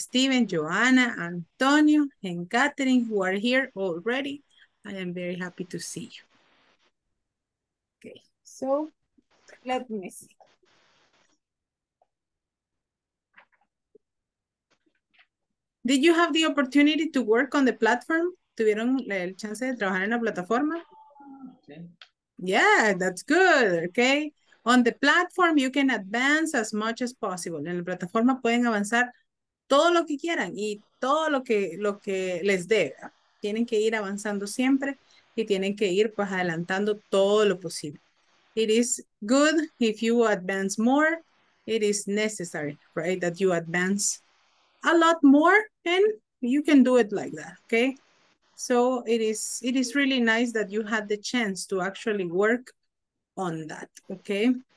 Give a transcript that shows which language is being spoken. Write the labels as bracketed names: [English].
[English] Steven, Joanna, Antonio, and Catherine, who are here already. I am very happy to see you. Okay, so let me see. Did you have the opportunity to work on the platform? [Spanish] ¿Tuvieron el chance de trabajar en la plataforma? [English] Yeah, that's good, okay. On the platform, you can advance as much as possible. [Spanish] En la plataforma pueden avanzar todo lo que quieran y todo lo que les dé. Tienen que ir avanzando siempre y tienen que ir pues adelantando todo lo posible. [English] It is good if you advance more. It is necessary, right, that you advance a lot more, and you can do it like that, okay? So it is really nice that you had the chance to actually work on that, okay?